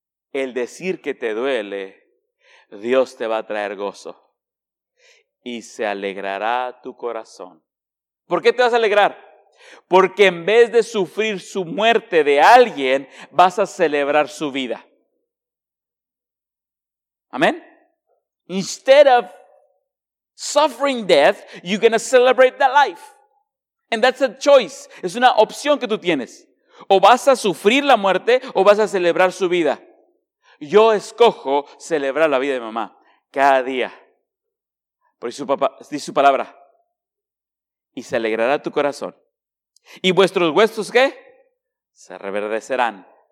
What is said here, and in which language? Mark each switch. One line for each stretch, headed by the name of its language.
Spanish: El decir que te duele, Dios te va a traer gozo. Y se alegrará tu corazón. ¿Por qué te vas a alegrar? Porque en vez de sufrir su muerte de alguien, vas a celebrar su vida. Amén.
English: Instead of suffering death, you're going to celebrate that life. And that's a choice.
Spanish: Es una opción que tú tienes. O vas a sufrir la muerte o vas a celebrar su vida. Yo escojo celebrar la vida de mamá cada día. Por eso su papá dice su palabra. Y se alegrará tu corazón. ¿Y vuestros huesos qué? Se reverdecerán.